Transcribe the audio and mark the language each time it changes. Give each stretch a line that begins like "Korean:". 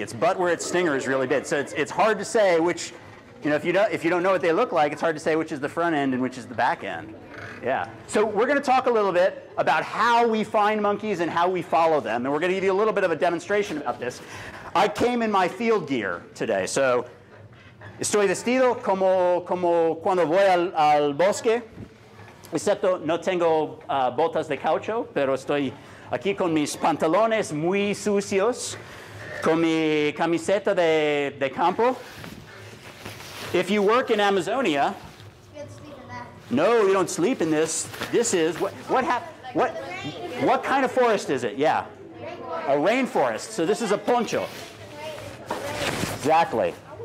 English: Its butt where its stinger is really big. So it's hard to say which, you know, if you don't know what they look like, it's hard to say which is the front end and which is the back end. Yeah. So we're going to talk a little bit about how we find monkeys and how we follow them. And we're going to give you a little bit of a demonstration about this. I came in my field gear today.
Spanish: So estoy vestido como cuando voy al bosque. Excepto no tengo botas de caucho, pero estoy aquí con mis pantalones muy sucios, con mi camiseta de campo.
English: If you work in Amazonia, no, you don't sleep in this. This is, what kind of forest is it? Yeah. Rainforest. A rainforest. So this is a poncho. Exactly.